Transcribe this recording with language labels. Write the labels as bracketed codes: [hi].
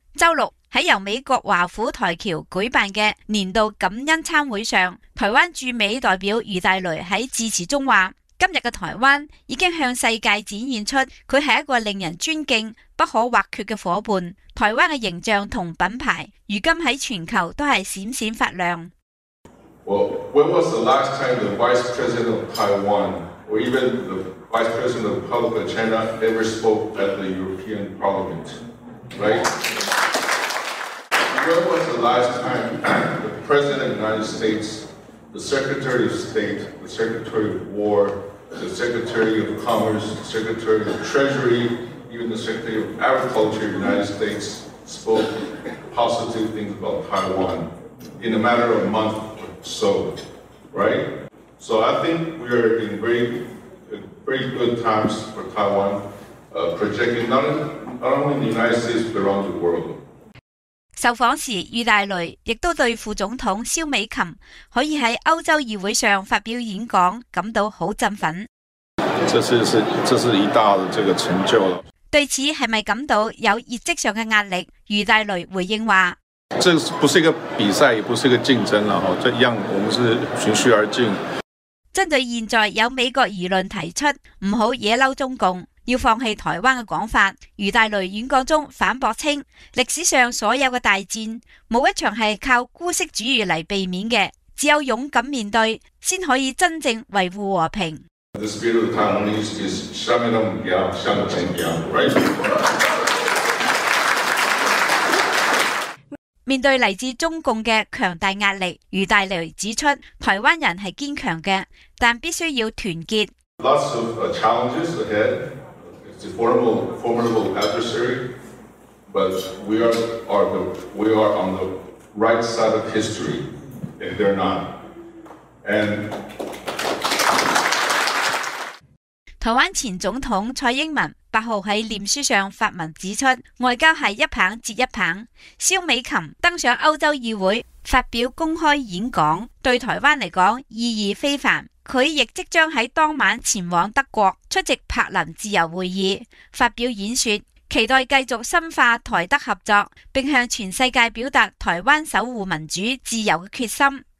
[zh] 周六在由美国华府台侨举办的年度感恩参会上，台湾驻美代表余大雷在致辞中说，今日的台湾已经向世界展现出它是一个令人尊敬不可或缺的伙伴，台湾的形象和品牌如今在全球都是闪闪发亮。 [en] Well, when was the last time the Vice President of Taiwan or even the Vice President of the Republic of China ever spoke at the European Parliament, right? When was the last time the President of the United States, the Secretary of State, the Secretary of War, the Secretary of Commerce, the Secretary of Treasury, even the Secretary of Agriculture of the United States spoke positive things about Taiwan? in a matter of a month or so, right? So I think we are in very good times for Taiwan, projecting not only in the United States, but around the world. [zh] 受访时，余大雷亦都对副总统萧美琴可以在欧洲议会上发表演讲感到好振奋。这是一大的这个成就了。对此是不是感到有业绩上的压力？余大雷回应说，这不是一个比赛，也不是一个竞争了，这一样我们是循序而进。针对现在有美国舆论提出不要惹嬲中共，要放弃台湾的讲法，余大雷演讲中反驳称，历史上所有的大战没有一场是靠姑息主义来避免的，只有勇敢面对才可以真正维护和平。 [en] The spirit of Taiwanese is [zh] 下面都不要向前行， [en] right? [zh] 面对来自中共的强大压力，余大雷指出，台湾人是坚强的，但必须要团结。 [en] Lots of challenges aheadIt's a formidable adversary, but we are on the right side of history, and they're not. And [zh] 台湾前总统蔡英文八号在脸书上发文指出，外交是一棒接一棒。萧美琴登上欧洲议会发表公开演讲，对台湾来讲意义非凡。他亦即将在当晚前往德国出席柏林自由会议发表演说，期待继续深化台德合作，并向全世界表达台湾守护民主自由的决心。